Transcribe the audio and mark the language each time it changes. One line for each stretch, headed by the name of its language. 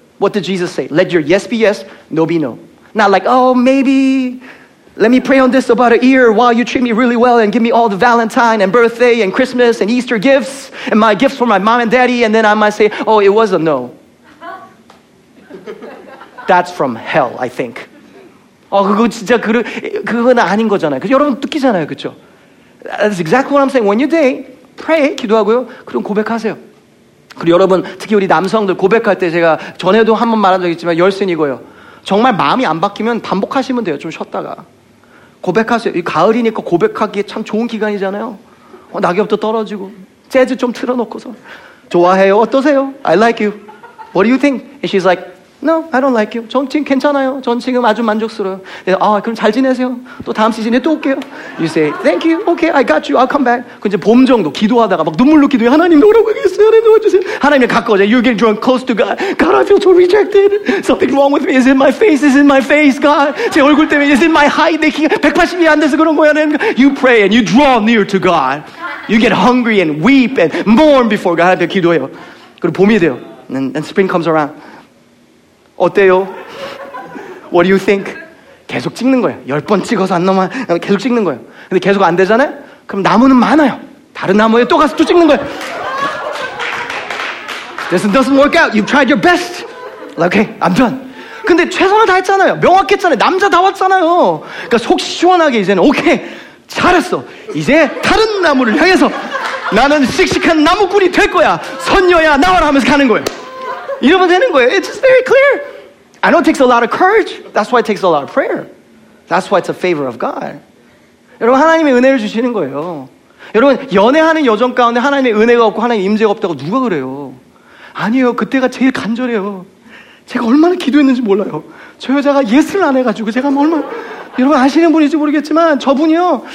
English: What did Jesus say? Let your yes be yes, no be no. Not like, oh, maybe let me pray on this about a year while you treat me really well and give me all the Valentine and birthday and Christmas and Easter gifts and my gifts for my mom and daddy and then I might say, oh, it was a no. That's from hell, I think.
Korean: 어, 그거 진짜 그건 아닌 거잖아요. 그죠? 여러분 느끼잖아요. 그쵸?
English: That's exactly what I'm saying. When you day, pray,
Korean: 기도하고요. 그럼 고백하세요. 그리고 여러분, 특히 우리 남성들 고백할 때 제가 전에도 한번 말한 적 있지만 열쇠니고요. 정말 마음이 안 바뀌면 반복하시면 돼요. 좀 쉬었다가. 고백하세요. 이 가을이니까 고백하기에 참 좋은 기간이잖아요. 어, 낙엽도 떨어지고 재즈 좀 틀어놓고서 좋아해요. 어떠세요?
English: I like you. What do you think? And she's like, No, I don't like you.
Korean: 전 지금 괜찮아요. 전 지금 아주 만족스러워요. 아, 그럼 잘 지내세요. 또 다음 시즌에 또 올게요.
English: You say, thank you. Okay, I got you. I'll come back.
Korean: 그 이제 봄 정도 기도하다가 막 눈물로 기도해. 하나님 뭐라고 하겠어요? 하나님 도와주세요. 하나님 가까워져.
English: You're getting drawn close to God. God, I feel so rejected. Something's wrong with me. Is it my face? Is it my face, God?
Korean: 제 얼굴 때문에.
English: Is it my height?
Korean: 내 키가 180이 안 돼서 그런 거야. 하나님.
English: You pray and you draw near to God. You get hungry and weep and mourn before God.
Korean: 하나님 기도해요. 그리고 봄이 돼요.
English: And spring comes around.
Korean: 어때요?
English: What do you think?
Korean: 계속 찍는 거예요. 열 번 찍어서 안 넘어. 계속 찍는 거예요. 근데 계속 안 되잖아요? 그럼 나무는 많아요. 다른 나무에 또 가서 또 찍는 거예요.
English: This doesn't work out. You've tried your best. Okay, I'm done.
Korean: 근데 최선을 다했잖아요. 명확했잖아요. 남자 다 왔잖아요. 그러니까 속 시원하게 이제는 오케이, 잘했어. 이제 다른 나무를 향해서 나는 씩씩한 나무꾼이 될 거야. 선녀야 나와라 하면서 가는 거예요. 이러면 되는 거예요.
English: It's just very clear. I know it takes a lot of courage. That's why it takes a lot of prayer. That's why it's a favor of God.
Korean: 여러분, 하나님의 은혜를 주시는 거예요. 여러분, 연애하는 여정 가운데 하나님의 은혜가 없고 하나님의 임재가 없다고 누가 그래요? 아니에요. 그때가 제일 간절해요. 제가 얼마나 기도했는지 몰라요. 저 여자가 예스를 안 해가지고 제가 얼마나... 여러분, 아시는 분인지 모르겠지만 저분이요.